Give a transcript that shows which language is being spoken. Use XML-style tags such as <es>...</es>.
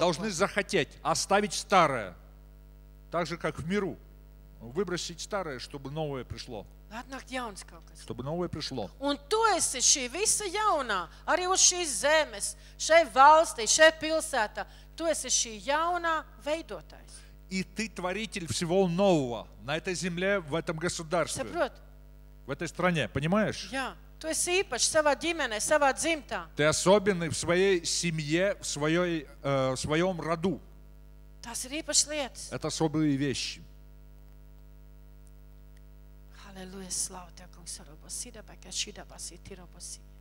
<ru>Должны захотеть оставить старое. Так же, как в миру. Выбросить старое, чтобы новое пришло. Чтобы новое пришло.</ru> <lv>Un tu esi šī visa jaunā, arī uz šīs zemes, šai valstī, šai pilsētā. Tu esi šī jaunā veidotājs.</lv> <ru>И ты творитель всего нового на этой земле, в этом государстве.</ru> <lv>Saprot?</lv> <ru>В этой стране, понимаешь?</ru> <lv>Jā. Tu esi īpašs savā ģimenē, savā dzimtā.</lv> <ru>Ты особенный в своей семье, в своей, в своем роду.</ru> <lv>Tās ir īpašas lietas.</lv> <ru>Это особые вещи. Аллилуйя, слава тебе, как сороба, сида, бака, шида, баси, тира, баси.</ru>